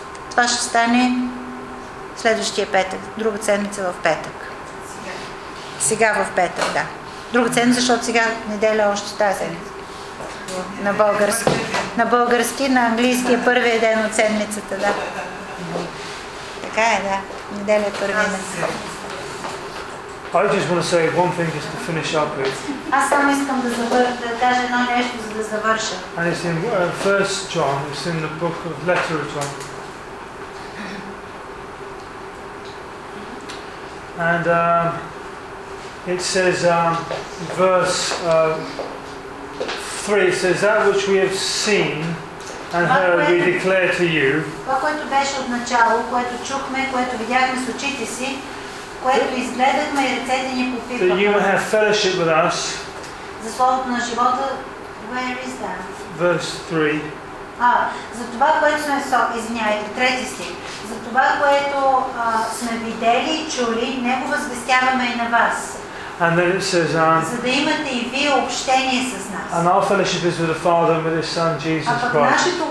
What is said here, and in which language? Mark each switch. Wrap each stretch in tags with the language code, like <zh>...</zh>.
<bg>Това ще стане следващия петък, друга седмица в петък. Сега в петък, да. Друга седмица, защото сега неделя още тази седмица. На български, на английски е първия ден от седмицата, да. Така е, да. Неделя е първия ден.</bg> <en>I just want to say one thing just to finish up with.</en> <bg>Аз само искам да кажа едно нещо, за да завърша.</bg> <en>And it's in First John, it's in the book of Letter of John. And it says, verse 3, it says, that which we have seen and heard we declare to you.</en> <bg>Това, което беше от начало, което чухме, което видяхме с очите си, което изгледахме и ръцете ни попипахме.</bg> <en>That you have fellowship with us.</en> <bg>За словото на живота,</bg> <en>where is that? Verse 3.</en> <bg>За това, което сме извинявайте, трети стих. За това, което сме видели и чули, не го възвестяваме и на вас.</bg> <en>And then it says, and our fellowship is with the Father and with His Son, Jesus Christ.</en>